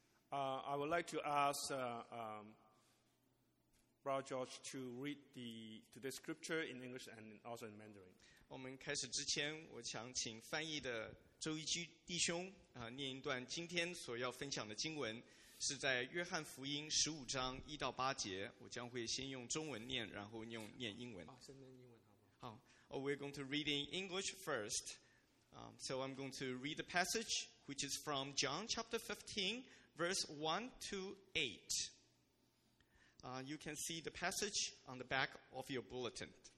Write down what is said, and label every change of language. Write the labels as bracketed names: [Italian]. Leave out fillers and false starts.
[English] I would like to ask Brother George to read the scripture in English and also in Mandarin. [Chinese] 我们开始之前，我想请翻译的周一居弟兄念一段今天所要分享的经文，是在约翰福音十五章一到八节。我将会先用中文念，然后用念英文。先念英文，好。 [English] Oh, we're going to read in English first. So I'm going to read the passage, which is from John chapter 15, verse 1 to 8. You can see the passage on the back of your bulletin.